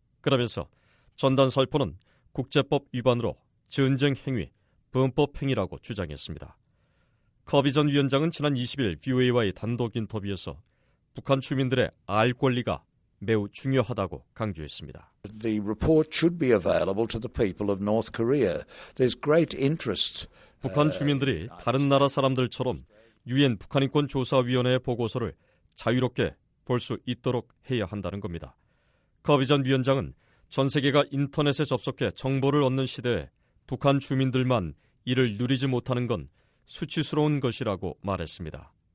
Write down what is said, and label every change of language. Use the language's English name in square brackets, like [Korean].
[Korean] 그러면서 전단 살포는 국제법 위반으로 전쟁 행위, 범법 행위라고 주장했습니다. 커비 전 위원장은 지난 20일 VOA와의 단독 인터뷰에서 북한 주민들의 알 권리가 매우 중요하다고 강조했습니다. [English] The report should be available to the people of North Korea. There's great interest. [Korean] 북한 주민들이 다른 나라 사람들처럼 유엔 북한인권조사위원회의 보고서를 자유롭게 볼 수 있도록 해야 한다는 겁니다. 커비 전 위원장은 전 세계가 인터넷에 접속해 정보를 얻는 시대에 북한 주민들만 이를 누리지 못하는 건 수치스러운 것이라고 말했습니다.